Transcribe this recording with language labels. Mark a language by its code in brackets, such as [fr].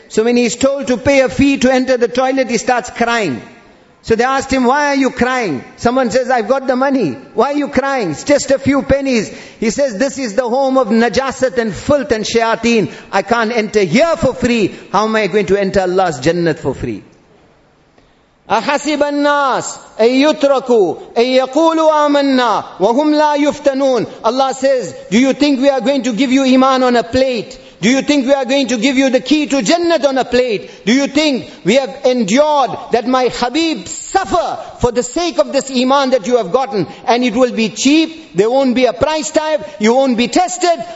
[en] So when he's told to pay a fee to enter the toilet, he starts crying. So they asked him, why are you crying? Someone says, I've got the money. Why are you crying? It's just a few pennies. He says, this is the home of najasat and filth and shayateen. I can't enter here for free. How am I going to enter Allah's Jannat for free? [ar] أحسب الناس أن يتركوا أن يقولوا آمنا وهم لا يفتنون. [en] Allah says, do you think we are going to give you iman on a plate? Do you think we are going to give you the key to Jannah on a plate? Do you think we have endured that my Habib suffer for the sake of this iman that you have gotten, and it will be cheap, there won't be a price tag, you won't be tested?